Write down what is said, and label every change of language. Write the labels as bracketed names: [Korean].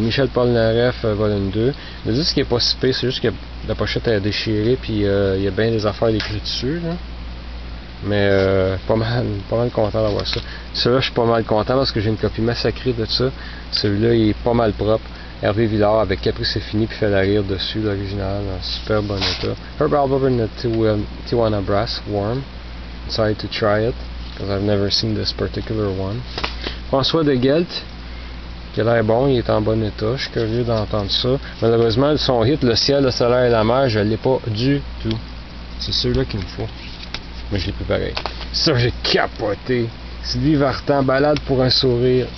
[French] Michel Polnareff, volume 2. Le disque n'est pas si pire, c'est juste que la pochette est déchirée, puis il y a bien des affaires écrites dessus. Là. Mais pas mal content d'avoir ça. Celui-là, je suis pas mal content parce que j'ai une copie massacrée de ça. Celui-là, il est pas mal propre. Hervé Villard avec Capri c'est fini puis fait la rire dessus l'original, un super bon état. Herb Alpert de Tijuana Brass, Warm. [English] Decided to try it, because I've never seen this particular one. [French] François de Gelt, qui a l'air bon, il est en bon état, je suis curieux d'entendre ça. Malheureusement, son hit Le ciel, le soleil et la mer, je ne l'ai pas du tout. C'est celui-là qu'il me faut. Mais je l'ai plus pareil. Ça, j'ai capoté! Sylvie Vartan, balade pour un sourire.